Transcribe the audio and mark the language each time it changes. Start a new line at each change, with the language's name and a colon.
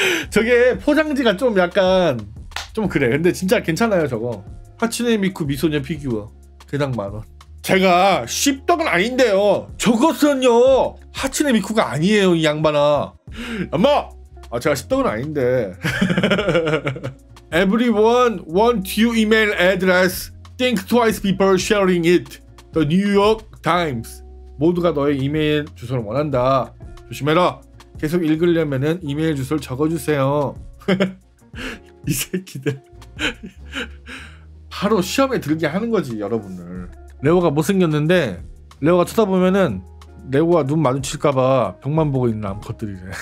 Korean: 저게 포장지가 좀 약간 좀 그래. 근데 진짜 괜찮아요, 저거. 하츠네 미쿠 미소녀 피규어. 개당 만 원. 제가 쉽덕은 아닌데요. 저것은요, 하츠네 미쿠가 아니에요, 이 양반아. 엄마! 아, 제가 쉽덕은 아닌데.
English: Everyone want you email address. Think twice before sharing it. The New York Times.
Korean: 모두가 너의 이메일 주소를 원한다. 조심해라. 계속 읽으려면은 이메일 주소를 적어주세요. 이 새끼들. 바로 시험에 들게 하는 거지, 여러분을. 레오가 못생겼는데 레오가 쳐다보면은 레오가 눈 마주칠까봐 벽만 보고 있는 암컷들이래.